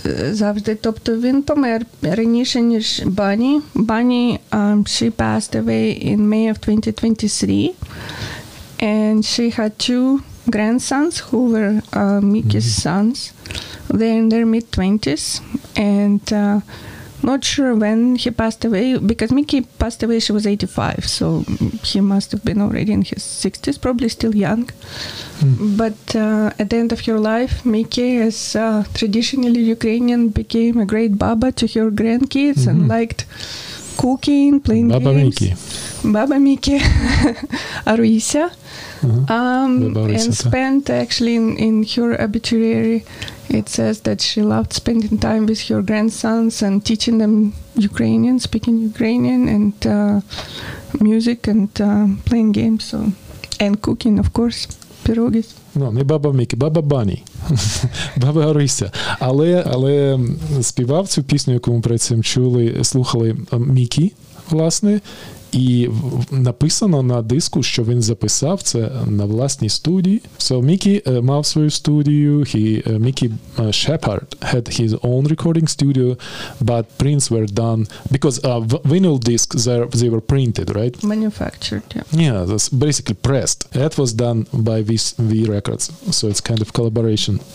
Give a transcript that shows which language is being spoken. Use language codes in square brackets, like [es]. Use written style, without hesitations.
[uk] Завжди, тобто він помер раніше, ніж Бані. [en] Бані, she passed away in May of 2023. And she had two grandsons who were Mickey's sons. They're in their mid-20s. And not sure when he passed away, because Mickey passed away, she was 85. So he must have been already in his 60s, probably still young. But at the end of her life, Mickey, as traditionally Ukrainian, became a great baba to her grandkids and liked cooking, playing baba games. Mickey. Baba Miki, Aruisa, and spent actually in her obituary, it says that she loved spending time with her grandsons and teaching them Ukrainian, speaking Ukrainian, and music, and playing games, so, and cooking, of course, pierogies. [uk] Ну, не Баба Мікі, Баба Бані, Баба Гаруся. Але співав цю пісню, яку ми перед цим чули, слухали Мікі, власне, і написано на диску, що він записав це на власній студії. So Mickey мав свою студію. [en] Mickey Shepard had his own recording studio, but prints were done because vinyl discs they were printed, right? Manufactured, yeah. Yeah, that's basically pressed. That was done by VCV Records. So it's kind of collaboration.